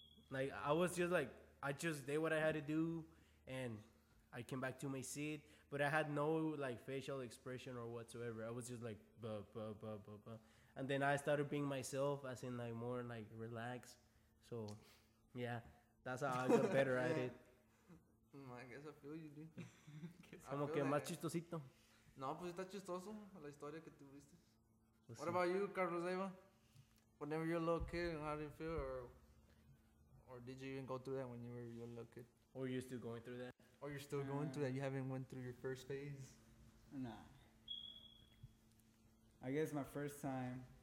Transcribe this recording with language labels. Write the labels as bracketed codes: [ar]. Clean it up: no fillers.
[en] Like, I was just, like, I just did what I had to do, and I came back to my seat. But I had no, like, facial expression or whatsoever. I was just, like, buh, buh, buh, buh, buh. And then I started being myself, as in, like, more, like, relaxed. So, yeah, that's how I got better at it. I guess I feel you, dude. [es] Como que más chistosito. No, pues está chistoso la historia que tuviste. [en] What about you, Carlos Eva? Whenever you're a little kid, how did you feel? Or did you even go through that when you were a little kid? Or you're still going through that? Or you're still going through that? You haven't went through your first phase? Nah. I guess my first time.